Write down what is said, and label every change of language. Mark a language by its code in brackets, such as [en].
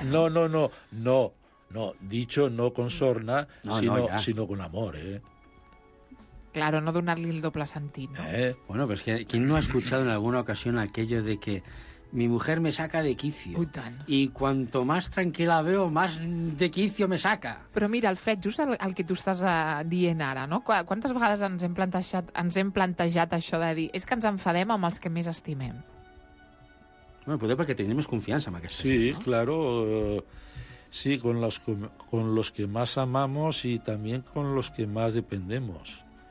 [es] No, dicho no con sorna, sino con amor, Claro, no de un arlildo plasantino. Bueno, pues que ¿quién no ha escuchado en alguna ocasión aquello de que mi mujer me saca de quicio? Uy, tan. Y cuanto más tranquila veo, más de quicio me saca. [ca] Però mira, Alfred, just el que tu estàs dient ara, no? Quantes vegades ens hem plantejat això de dir és que ens enfadem amb els que més estimem? Bueno, potser perquè tenim més confiança amb aquesta gent, no? Sí, claro. [es] Sí, con los que más amamos y también con los que más dependemos.